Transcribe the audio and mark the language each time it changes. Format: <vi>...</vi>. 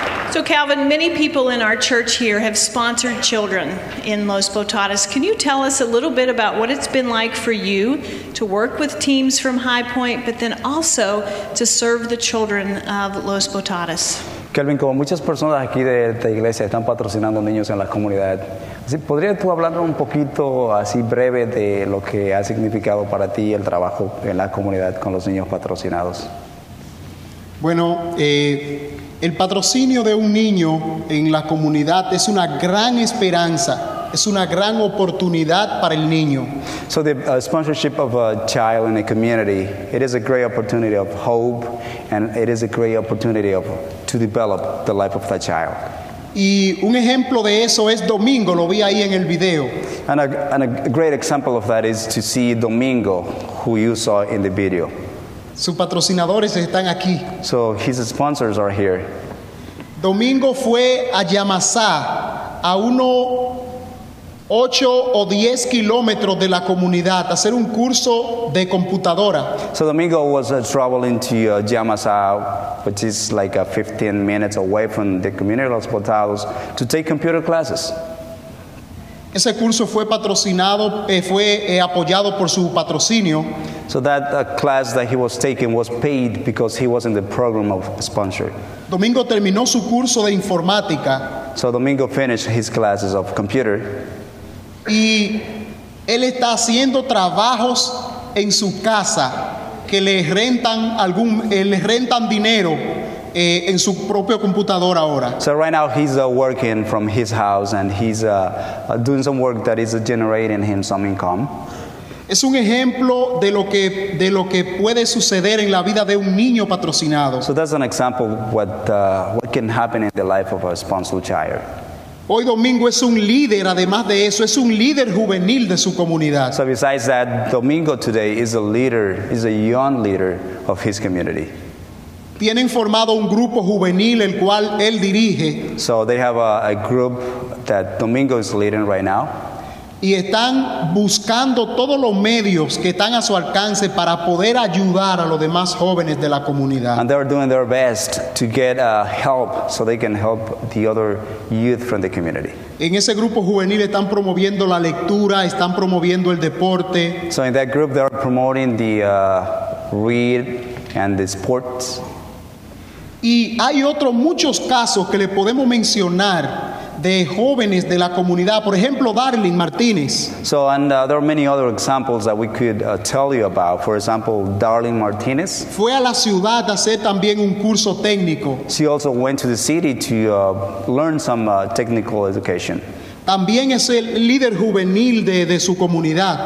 <en>So Calvin, many people in our church here have sponsored children in Los Potatos. Can you tell us a little bit about what it's been like for you to work with teams from High Point, but then also to serve the children of Los Potatos?</en> <es>Calvin, como muchas personas aquí de esta iglesia están patrocinando niños en la comunidad, ¿podrías tú hablar un poquito así breve de lo que ha significado para ti el trabajo en la comunidad con los niños patrocinados? Bueno, el patrocinio de un niño en la comunidad es una gran esperanza, es una gran oportunidad para el niño.</es> <en>So the sponsorship of a child in a community, it is a great opportunity of hope, and it is a great opportunity of to develop the life of that child.</en> <es>Y un ejemplo de eso es Domingo, lo vi ahí en el video.</es> <en>And a great example of that is to see Domingo, who you saw in the video.</en> <es>Sus patrocinadores están aquí.</es> <en>So his sponsors are here.</en> <es>Domingo fue a Yamasá, a uno 8 o 10 kilómetros de la comunidad, a hacer un curso de computadora.</es> <en>So Domingo was traveling to Yamasá, which is like 15 minutes away from the community of Los Potatos, to take computer classes.</en> <es>Ese curso fue patrocinado, fue apoyado por su patrocinio.</es> <en>So that class that he was taking was paid because he was in the program of sponsor.</en> <es>Domingo terminó su curso de informática.</es> <en>So Domingo finished his classes of computer.</en> <es>Y él está haciendo trabajos en su casa que le rentan algún, le rentan dinero. En su propio computador ahora.</es> <en>So right now he's working from his house, and he's doing some work that is generating him some income.</en> <es>Es un ejemplo de lo que puede suceder en la vida de un niño patrocinado.</es> <en>So that's an example of what can happen in the life of a sponsored child.</en> <es>Hoy Domingo es un líder, además de eso, es un líder juvenil de su comunidad.</es> <en>So besides that, Domingo today is a leader, is a young leader of his community.</en> <es>Tienen formado un grupo juvenil el cual él dirige.</es> <en>So they have a group that Domingo is leading right now.</en> <es>Y están buscando todos los medios que están a su alcance para poder ayudar a los demás jóvenes de la comunidad.</es> <en>And they're doing their best to get help so they can help the other youth from the community.</en> <es>En ese grupo juvenil están promoviendo la lectura, están promoviendo el deporte.</es> <en>So in that group they're promoting the read and the sports.</en> <es>Y hay otros muchos casos que le podemos mencionar de jóvenes de la comunidad. Por ejemplo, Darling Martínez.</es> <en>So, and there are many other examples that we could tell you about. For example, Darling Martínez.</en> <es>Fue a la ciudad a hacer también un curso técnico.</es> <en>She also went to the city to learn some technical education.</en> <es>También es el líder juvenil de su comunidad.</es>